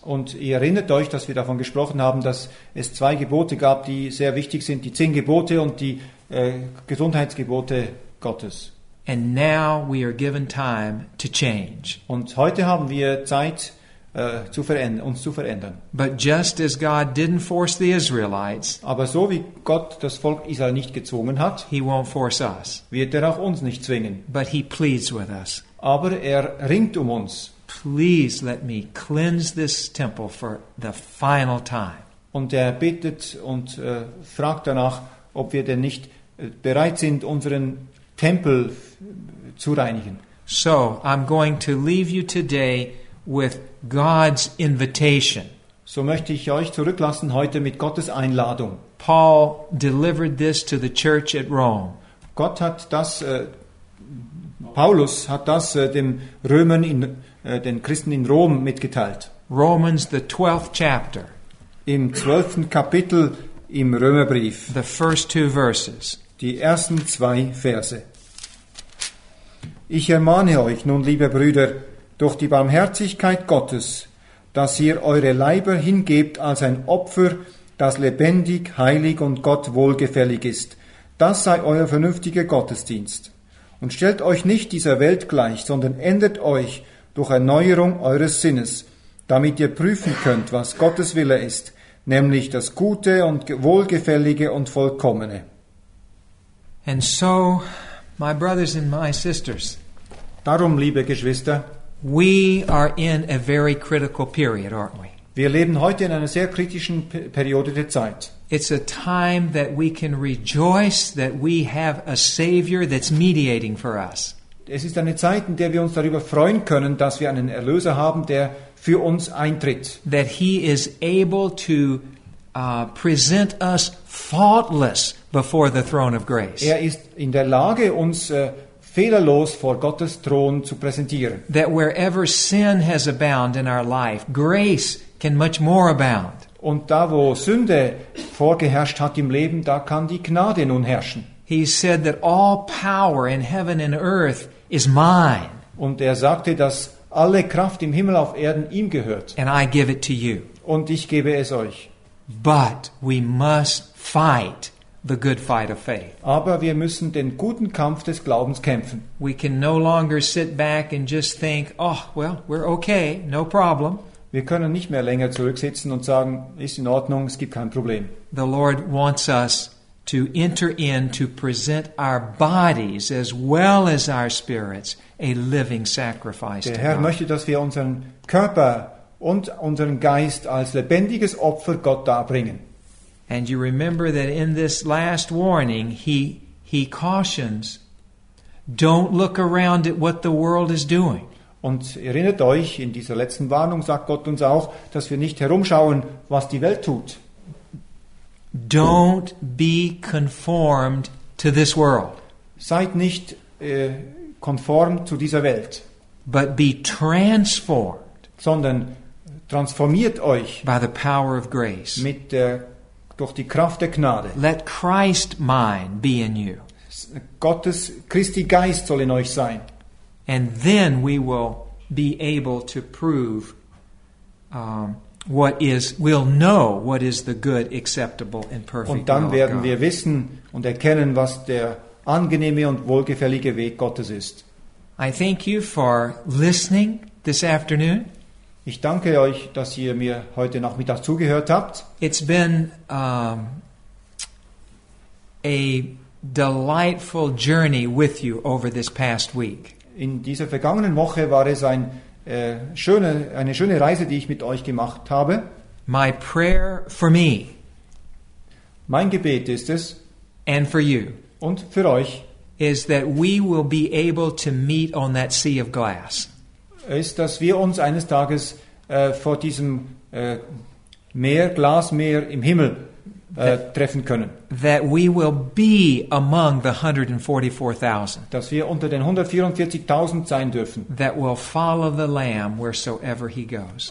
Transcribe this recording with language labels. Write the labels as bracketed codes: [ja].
[de] Und ihr erinnert euch, dass wir davon gesprochen haben, dass es zwei Gebote gab, die sehr wichtig sind, die Zehn Gebote und die Gesundheitsgebote Gottes. [en] And now we are given time to change. [de] Und heute haben wir Zeit, uns zu verändern. [en] But just as God didn't force the Israelites, [de] aber so wie Gott das Volk Israel nicht gezwungen hat, [en] he won't force us. [de] Wird er auch uns nicht zwingen. [en] But he pleads with us. [de] Aber er ringt uns. [en] Please let me cleanse this temple for the final time. [de] Und er betet und fragt danach, ob wir denn nicht bereit sind, unseren Tempel zu reinigen. [en] So, I'm going to leave you today with God's invitation. [de] So möchte ich euch zurücklassen heute mit Gottes Einladung. [en] Paul delivered this to the church at Rome. [de] Gott hat das Paulus hat das dem Römern in den Christen in Rom mitgeteilt. [en] Romans the 12th chapter. [de] Im 12. Kapitel im Römerbrief. [en] The first two verses. [de] Die ersten zwei Verse. Ich ermahne euch nun, liebe Brüder, durch die Barmherzigkeit Gottes, dass ihr eure Leiber hingebt als ein Opfer, das lebendig, heilig und Gott wohlgefällig ist. Das sei euer vernünftiger Gottesdienst. Und stellt euch nicht dieser Welt gleich, sondern ändert euch durch Erneuerung eures Sinnes, damit ihr prüfen könnt, was Gottes Wille ist, nämlich das Gute und Wohlgefällige und Vollkommene. [en] And so, my brothers and my sisters, [de] darum, liebe Geschwister, [en] we are in a very critical period, aren't we? [de] Wir leben heute in einer sehr kritischen Periode der Zeit. [en] It's a time that we can rejoice that we have a Savior that's mediating for us. [de] Es ist eine Zeit, in der wir uns darüber freuen können, dass wir einen Erlöser haben, der für uns eintritt. [en] That he is able to present us faultless before the throne of grace. [de] Er ist in der Lage, uns fehlerlos vor Gottes Thron zu präsentieren. [en] That wherever sin has abound in our life, grace can much more abound. [de] Und da, wo Sünde vorgeherrscht hat im Leben, da kann die Gnade nun herrschen. [en] He said that all power in heaven and earth is mine. [de] Und er sagte, dass alle Kraft im Himmel auf Erden ihm gehört. [en] And I give it to you. [de] Und ich gebe es euch. [en] But we must fight the good fight of faith. [de] Aber wir müssen den guten Kampf des Glaubens kämpfen. [en] We can no longer sit back and just think, oh, well, we're okay, no problem. [de] Wir können nicht mehr länger zurücksitzen und sagen, ist in Ordnung, es gibt kein Problem. [en] The Lord wants us to enter in to present our bodies as well as our spirits a living sacrifice. [de] Der Herr möchte, dass wir unseren Körper und unseren Geist als lebendiges Opfer Gott darbringen. [en] And you remember that in this last warning, he cautions, don't look around at what the world is doing. [de] Und erinnert euch, in dieser letzten Warnung sagt Gott uns auch, dass wir nicht herumschauen, was die Welt tut. [en] Don't be conformed to this world. [de] Seid nicht konform zu dieser Welt. [en] But be transformed. [de] Sondern transformiert euch [en] by the power of grace. [de] Durch die Kraft der Gnade. [en] Let Christ mind be in you. [de] Gottes Christi Geist soll in euch sein. [en] And then we will be able to prove we'll know what is the good, acceptable and perfect will of God. [de] Und dann werden wir wissen und erkennen, was der angenehme und wohlgefällige Weg Gottes ist. [en] I thank you for listening this afternoon. [de] Ich danke euch, dass ihr mir heute Nachmittag zugehört habt. [en] It's been a delightful journey with you over this past week. [de] In dieser vergangenen Woche war es eine schöne Reise, die ich mit euch gemacht habe. [en] My prayer for me. [de] Mein Gebet ist es. [en] And for you. [de] Und für euch. [en] Is that we will be able to meet on that sea of glass. [de] Ist, dass wir uns eines Tages vor diesem Meer, Glasmeer im Himmel treffen können. [en] That we will be among the 144,000. [de] Dass wir unter den 144,000 sein dürfen. [en] That will follow the Lamb wheresoever he goes.